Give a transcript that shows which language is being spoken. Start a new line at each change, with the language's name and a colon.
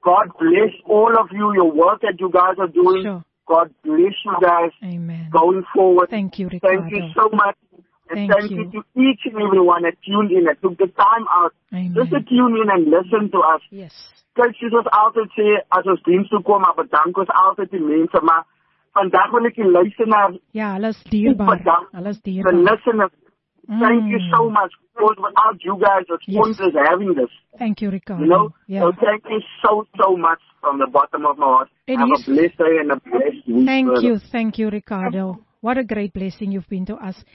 English: God bless all of you, your work that you guys are doing. Sure. God bless you guys. Amen. Going forward. Thank you, Ricardo. Thank you so much. And thank you to each and everyone that tuned in, that took the time out. Amen. Just to tune in and listen to us. Yes.
Afrikaans: Kijk, soos ons altyd sê, as ons diens toe kom, maar bedank ons altyd die mense, maar vandag wil ek die luisteraar. Ja, hulle is dierbaar. Hulle is dierbaar.
English: The listeners, thank you so much, because without you guys, the sponsors having this. Thank you, Ricardo. You know, yeah. So thank you so much from the bottom of my heart. Have a blessed day and a blessed week. Thank you, Ricardo. What a great blessing you've been to us.